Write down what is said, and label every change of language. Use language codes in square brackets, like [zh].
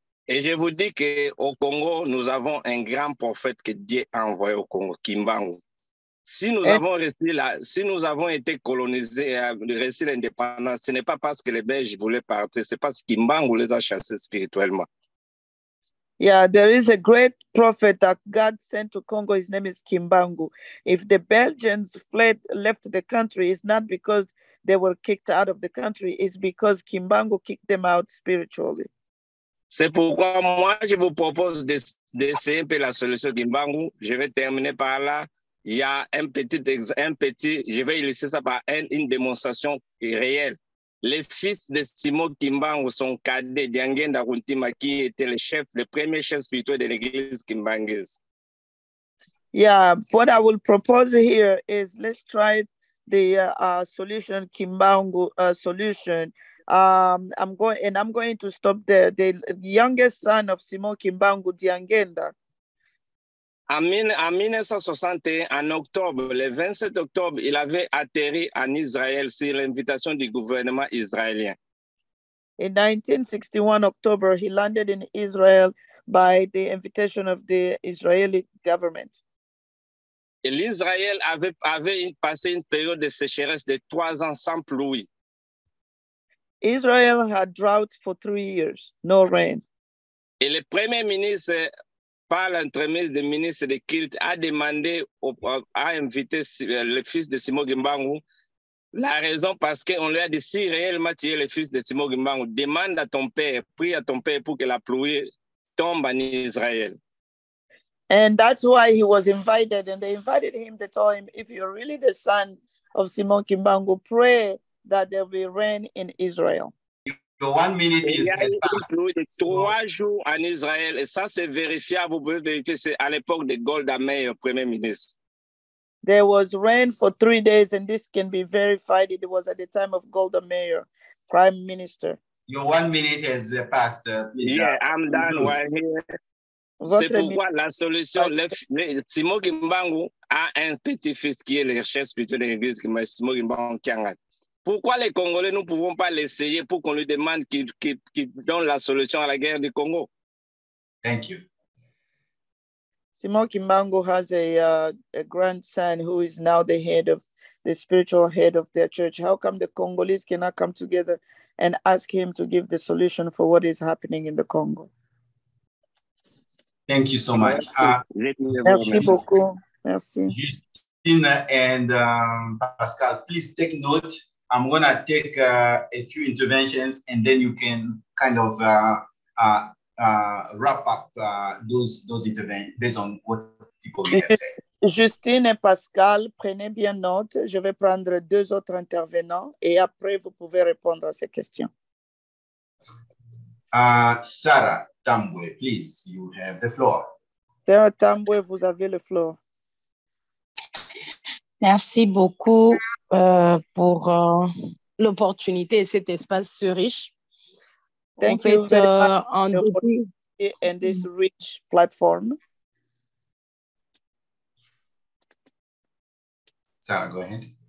[fr] Et je vous dis qu'au Congo, nous avons un grand prophète que Dieu a envoyé au Congo, Kimbangu. Si nous avons été colonisés et reçu l'indépendance, ce n'est pas parce que les Belges voulaient partir, c'est parce que Kimbangu les a chassés spirituellement. [en] Yeah, there is a great prophet that God sent to Congo. His name is Kimbangu. If the Belgians left the country, it's not because they were kicked out of the country, it's because Kimbangu kicked them out spiritually. [fr] C'est pourquoi moi, je vous propose d'essayer un peu la solution Kimbangu. Je vais terminer par là. Il y a un petit, je vais illustrer ça par une démonstration réelle. Les fils de Simon Kimbangu sont cadets d'Angenda Runtima, qui était le chef, le premier chef spirituel de l'église Kimbangese. [en] Yeah, what I will propose here is let's try the solution, Kimbangu solution. I'm going to stop there. The youngest son of Simon Kimbangu Diangenda. [fr] En 1961, en octobre, le 27 octobre, il avait atterri en Israël sur l'invitation du gouvernement israélien. [en] In 1961, October, he landed in Israel by the invitation of the Israeli government. [fr] Et l'Israël avait passé une période de sécheresse de 3 ans sans pluie. [en] Israel had drought for 3 years, no rain. [fr] Et le premier ministre, par l'entremise du ministre de culte, a demandé, a invité le fils de Simon Kimbangu. La raison, parce qu'on lui a dit, si réellement tu es le fils de Simon Kimbangu, demande à ton père, prie à ton père pour que la pluie tombe en Israël. [en] And that's why he was invited, and they invited him to tell him, if you're really the son of Simon Kimbangu, pray that there will be rain in Israel. The 1 minute is passed. [fr] 3 jours en Israël, et ça c'est vérifié, vous pouvez vérifier, c'est à l'époque de Golda Meir, premier ministre. [en] There was rain for 3 days, and this can be verified. It was at the time of Golda Meir, prime minister. Your 1 minute has passed. Yeah, I'm done right here. [fr] Votre c'est pourquoi la solution, Simon Kimbangu a un petit-fils qui est le chef spirituel de l'église, qui est Simon Kimbangu Kianga. Pourquoi les Congolais ne pouvons pas l'essayer pour qu'on lui demande qu'il donne la solution à la guerre du Congo? [en] Thank you. Simon Kimbangu has a grandson who is now the head of the spiritual head of their church. How come the Congolese cannot come together and ask him to give the solution for what is happening in the Congo? Thank you so much. [fr] Merci beaucoup. Merci. [en] Justine and Pascal, please take note. I'm going to take a few interventions, and then you can kind of wrap up those interventions based on what people have said. [fr] Justine et Pascal, prenez bien note. Je vais prendre 2 autres intervenants, et après, vous pouvez répondre à ces questions. [en] Sarah Tambwe, please, you have the floor. [fr] Sarah Tambwe, vous avez le floor. Merci beaucoup pour l'opportunité et cet espace si riche. [en] Thank you very much for this rich platform. Sarah, go ahead.